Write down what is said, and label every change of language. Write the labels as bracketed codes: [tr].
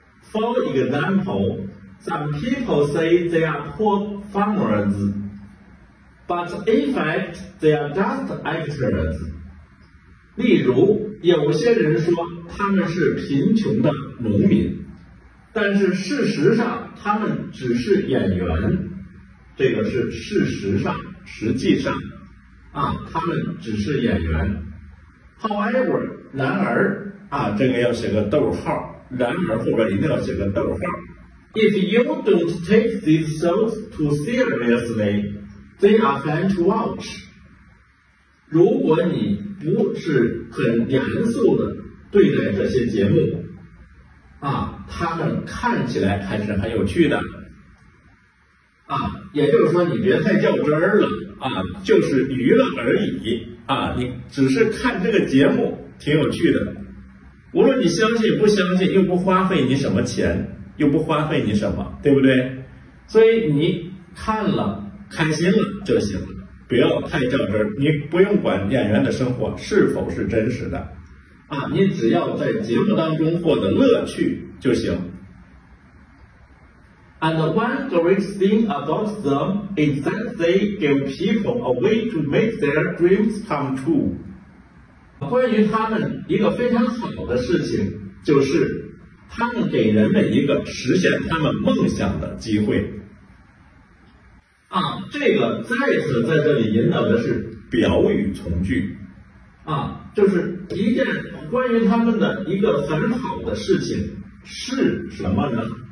[en] For example, some people say they are poor performers, but in fact they are just actors。 [zh] 例如，有些人说他们是贫穷的农民。但是事实上他们只是演员，这个是事实上，实际上啊，他们只是演员。 [en] However， [zh] 然而啊，这个要写个逗号，然而后边一定要写个逗号。 [en] If you don't take these shows too seriously they are fun to watch。 [zh] 如果你不是很严肃地对待这些节目啊，他们看起来还是很有趣的啊，也就是说你别太较真儿了啊，就是娱乐而已啊，你只是看这个节目挺有趣的，无论你相信不相信，又不花费你什么钱，又不花费你什么，对不对？所以你看了开心了就行了，不要太较真儿，你不用管演员的生活是否是真实的啊，你只要在节目当中获得乐趣就行。 [en] And one great thing about them is that they give people a way to make their dreams come true。 [zh] 关于他们一个非常好的事情就是他们给人们一个实现他们梦想的机会啊，这个再次在这里引导的是表语从句啊，就是一件关于他们的一个很好的事情是什么呢？